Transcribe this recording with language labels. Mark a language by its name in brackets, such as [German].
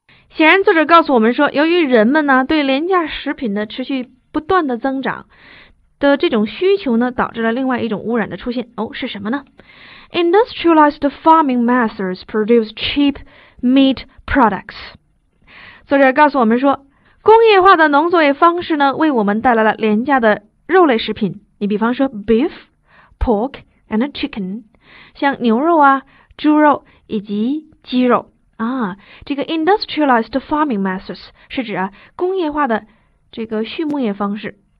[Chinese] 显然作者告诉我们说，由于人们呢对廉价食品的持续不断的增长的这种需求呢，导致了另外一种污染的出现。哦，是什么呢？ [English] Industrialized farming methods produce cheap meat products. [Chinese] 作者告诉我们说，工业化的农作业方式呢，为我们带来了廉价的肉类食品。你比方说 [English] beef, pork and chicken， [Chinese] 像牛肉啊、猪肉以及鸡肉。这个 [English] industrialized farming methods [Chinese] 是指工业化的这个畜牧业方式。